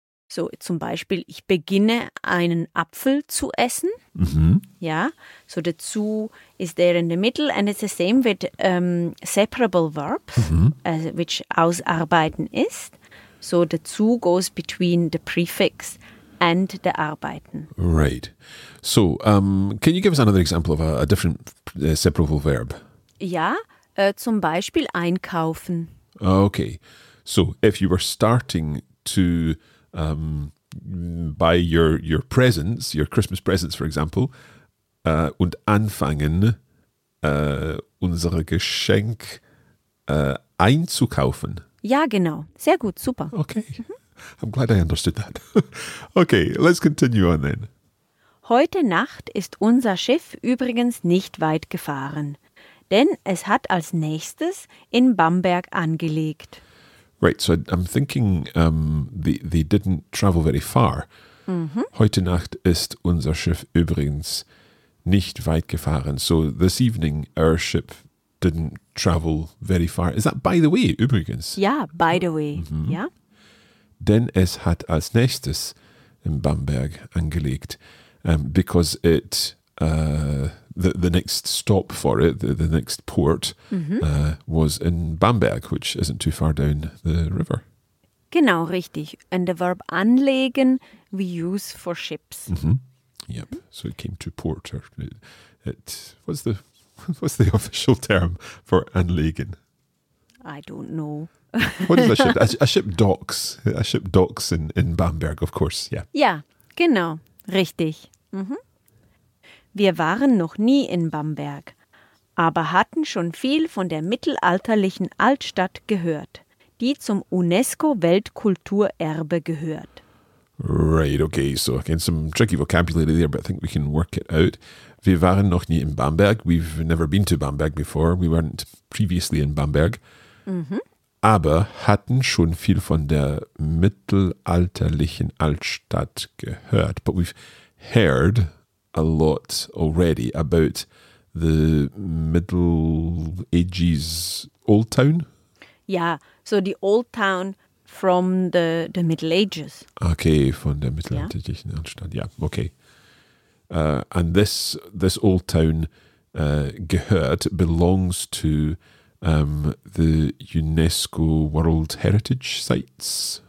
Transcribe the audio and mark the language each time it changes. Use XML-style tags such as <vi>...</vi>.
<de>So zum Beispiel, ich beginne einen Apfel zu essen. Mm-hmm.</de> <en>Ja, so the zu is there in the middle and it's the same with separable verbs, mm-hmm. Which ausarbeiten ist. So the zu goes between the prefix and the arbeiten. Right. So can you give us another example of a different separable verb?</en> <de>Ja, zum Beispiel einkaufen.</de> <en>Okay. So if you were starting to buy your presents, your Christmas presents, for example,</en> <de>und anfangen, unsere Geschenk einzukaufen. Ja, genau. Sehr gut. Super.</de> <en>Okay. Mhm. I'm glad I understood that. Okay, let's continue on then.</en> <de>Heute Nacht ist unser Schiff übrigens nicht weit gefahren, denn es hat als nächstes in Bamberg angelegt.</de> <en>Right, so I'm thinking they didn't travel very far. Mm-hmm.</en> <de>Heute Nacht ist unser Schiff übrigens nicht weit gefahren.</de> <en>So this evening our ship didn't travel very far. Is that by the way, übrigens? Yeah, by the way, mm-hmm. yeah.</en> <de>Denn es hat als nächstes in Bamberg angelegt.</de> <en>Because it, the next stop for it, the next port, mm-hmm. Was in Bamberg, which isn't too far down the river.</en> <de>Genau, richtig.</de> <en>And the verb anlegen we use for ships. Mm-hmm. Yep. So it came to port. Or it what's the official term for anlegen? I don't know. What is a ship? A ship docks. A ship docks in Bamberg, of course. Yeah.</en> <de>Yeah. Genau. Richtig. Mm-hmm. Wir waren noch nie in Bamberg, aber hatten schon viel von der mittelalterlichen Altstadt gehört, die zum UNESCO-Weltkulturerbe gehört.</de> <en>Right, okay, so again, some tricky vocabulary there, but I think we can work it out.</en> <de>Wir waren noch nie in Bamberg.</de> <en>We've never been to Bamberg before. We weren't previously in Bamberg. Mm-hmm.</en> <de>Aber hatten schon viel von der mittelalterlichen Altstadt gehört.</de> <en>But we've heard a lot already about the Middle Ages old town? Yeah, so the old town from the Middle Ages. Okay,</en> <de>von der mittelalterlichen Altstadt,</de> <en>yeah, okay. And this old town belongs to the UNESCO World Heritage Sites?</en>